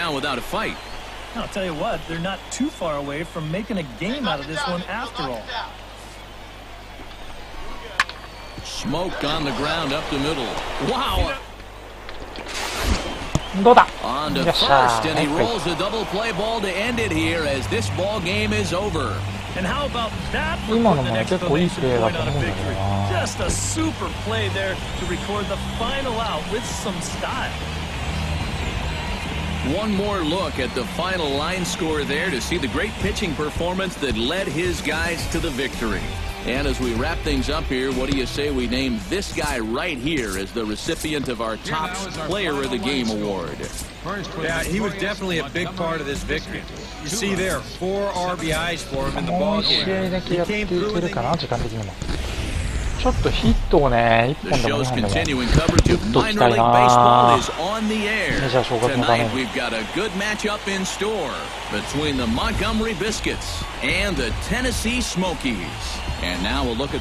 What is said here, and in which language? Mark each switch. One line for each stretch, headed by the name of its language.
English: I'll tell you what, they're not too far away from making a game out of this one after all. Smoked on the ground up the middle. Wow!
Japanese: どうだ?
English: On to first, and he rolls a double play ball to end it here as this ball game is over. And how about that?
Japanese: 今のも結構いいプレーだと思うんだけど。
English: Just a super play there to record the final out with some style. One more look at the final line score there to see the great pitching performance that led his guys to the victory. And as we wrap things up here, what do you say we name this guy right here as the recipient of our top player of the game award? Yeah, he was definitely a big part of this victory. You see there, four RBIs for him in the ball game.
Japanese: もう一試合だけやっていけるかな、時間的にも。ちょっとヒットをね、1本でも2本でも打っときたいな。メジャー昇格のためにこれはいいよ。モンゴメリービスケッツとテネシースモーキーズ。今はスタートラインを